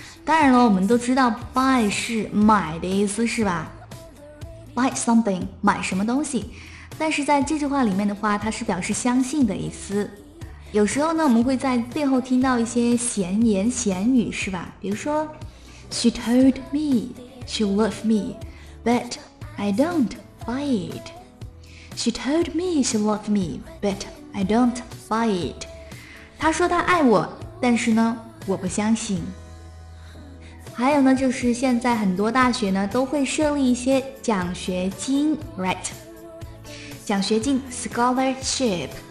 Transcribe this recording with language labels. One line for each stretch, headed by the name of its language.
Chinese: 当然了，我们都知道 buy 是买的意思，是吧？
English: Buy something,
Chinese: 买什么东西。但是在这句话里面的话，它是表示相信的意思。有时候呢，我们会在背后听到一些闲言闲语，是吧？比如说
English: She told me she loved me, but I don't buy it. She told me she loved me, but I don't buy it.
Chinese: 她说她爱我，但是呢，我不相信。还有呢，就是现在很多大学呢都会设立一些奖学金 ，right？奖学金 scholarship。